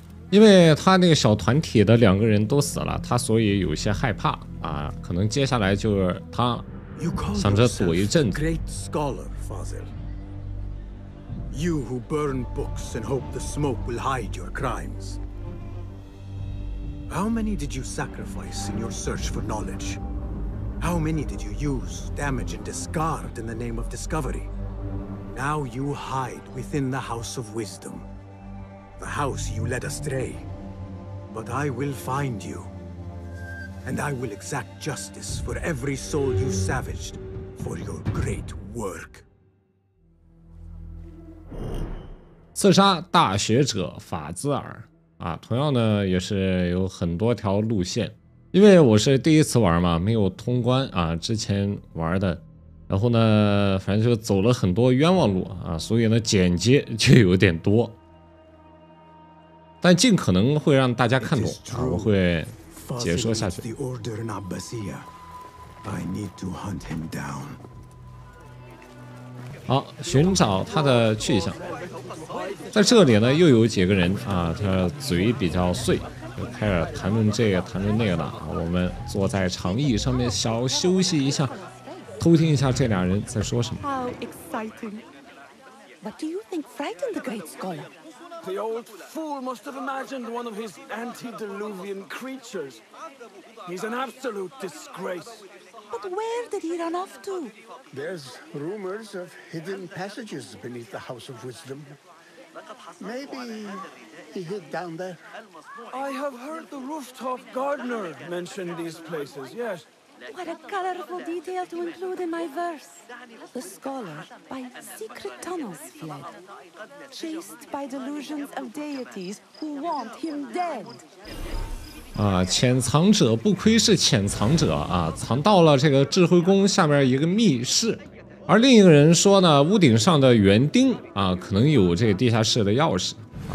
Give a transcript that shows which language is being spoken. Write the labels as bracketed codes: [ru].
[zh] 因为他那个小团体的两个人都死了，他所以有些害怕啊，可能接下来就是他想着躲一阵子。 [en] Great scholar, Fazil. You who burn books and hope the smoke will hide your crimes. How many did you sacrifice in your search for knowledge? How many did you use, damage, and discard in the name of discovery? Now you hide within the House of Wisdom. The house you led astray. But I will find you. And I will exact justice for every soul you savaged for your great work. [zh] 刺杀大学者法兹尔啊，同样呢也是有很多条路线，因为我是第一次玩嘛，没有通关啊，之前玩的，然后呢反正就走了很多冤枉路啊，所以呢剪辑就有点多，但尽可能会让大家看懂啊，我会解说下去。 [en] The order in Abbasia. I need to hunt him down. [zh] 好，寻找他的去向。在这里呢又有几个人啊，他嘴比较碎，就开始谈论这个谈论那个的啊，我们坐在长椅上面小休息一下，偷听一下这俩人在说什么。 [en] How exciting. What do you think frightened the great scholar? The old fool must have imagined one of his antediluvian creatures. He's an absolute disgrace. But where did he run off to? There's rumors of hidden passages beneath the House of Wisdom. Maybe he hid down there. I have heard the rooftop gardener mention these places, yes. What a colorful detail to include in my verse. The scholar, by secret tunnels fled, chased by delusions of deities who want him dead. [zh] 啊，潜藏者不愧是潜藏者啊，藏到了这个智慧宫下面一个密室。而另一个人说呢，屋顶上的园丁啊，可能有这个地下室的钥匙啊。